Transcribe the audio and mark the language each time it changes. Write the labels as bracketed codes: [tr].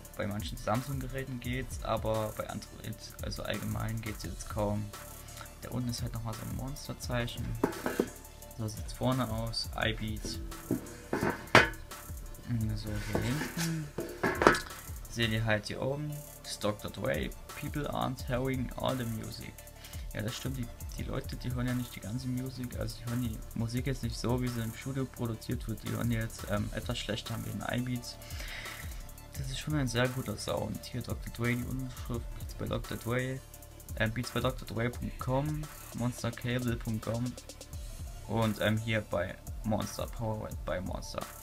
[de] Bei manchen Samsung-Geräten geht's, aber bei Android, also allgemein, geht's jetzt kaum. Da unten ist halt nochmal so ein Monsterzeichen. So sieht's vorne aus: iBeats. So, hier hinten seht ihr halt hier oben: das Dr. Dre. [en] People aren't hearing all the music. [de] Ja, das stimmt, die Leute, die hören ja nicht die ganze Musik, also die hören die Musik jetzt nicht so, wie sie im Studio produziert wird, die hören jetzt etwas schlechter wie in iBeats. Das ist schon ein sehr guter Sound. Hier Dr. Dre, die Unterschrift, Beats by Dr. Dre, Beats by Dr. Dre.com, MonsterCable.com und hier bei Monster, Powered by Monster.